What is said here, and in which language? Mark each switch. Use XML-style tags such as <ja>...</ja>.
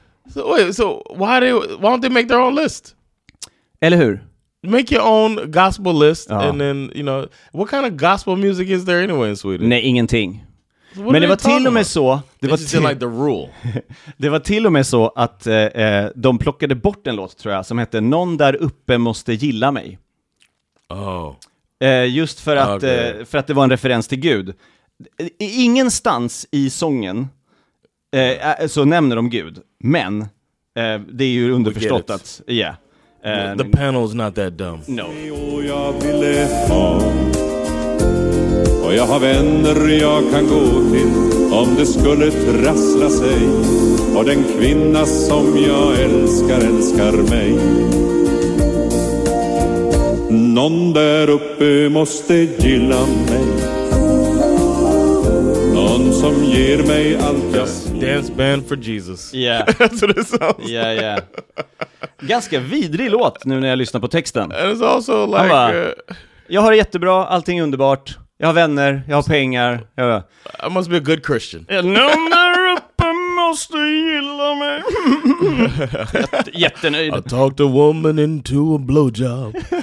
<en>Why don't they make their own list?</en> <sv>Eller hur?</sv> <en>Make your own gospel list. Ja. And then, you know, what kind of gospel music is there anyway in Sweden?</en> <sv>Nej, ingenting. So men det var till och med så. Det var</sv> <en>like the rule.</en> <sv>Det var till och med så att de plockade bort en låt, tror jag, som hette Någon där uppe måste gilla mig.</sv> <en>Oh.</en> <sv>Just för att, okay. För att det var en referens till Gud. Ingenstans i sången så nämner de Gud. Men det är ju underförstått att</sv> <en>the panel's not that dumb. No.</en> <sv>Jag vill ha, och jag har vänner jag kan gå till om det skulle trassla sig. Och den kvinna som jag älskar älskar mig. Någon där uppe måste gilla mig. Någon som ger mig allt jag ser.</sv> <en>Dance band for Jesus. Yeah. That's what it sounds like. Yeah, yeah.</en> <sv>Ganska vidrig låt nu när jag lyssnar på texten.</sv> <en>And it's also like, bara,</en> <sv>jag har det jättebra, allting är underbart. Jag har vänner, jag har pengar. Jag bara,</sv> <en>I must be a good Christian.</en> <sv>Någon där uppe måste gilla mig. Jättenöjd.</sv> <en>I talked a woman into a blowjob.</en>